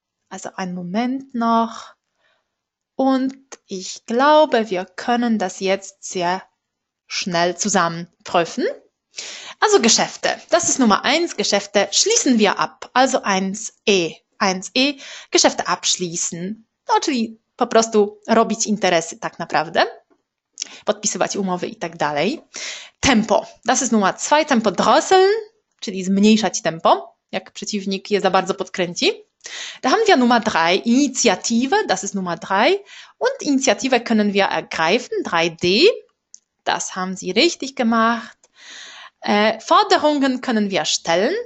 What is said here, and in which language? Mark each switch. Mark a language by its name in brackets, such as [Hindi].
[German] Also einen Moment noch. Und ich glaube, wir können das jetzt sehr schnell zusammenprüfen. Also Geschäfte. Das ist Nummer eins. Geschäfte schließen wir ab. Also 1e. 1e. Geschäfte abschließen. [Polish] Czyli po prostu robić interesy, tak naprawdę. Podpisywać umowy i tak dalej. Tempo. [German] Das ist Nummer zwei. Tempo drosseln, [Polish] czyli zmniejszać tempo, jak przeciwnik je za bardzo podkręci. [German] Da haben wir Nummer drei. Initiative. Das ist Nummer drei. Und Initiative können wir ergreifen. 3D. Das haben Sie richtig gemacht. Forderungen können wir stellen.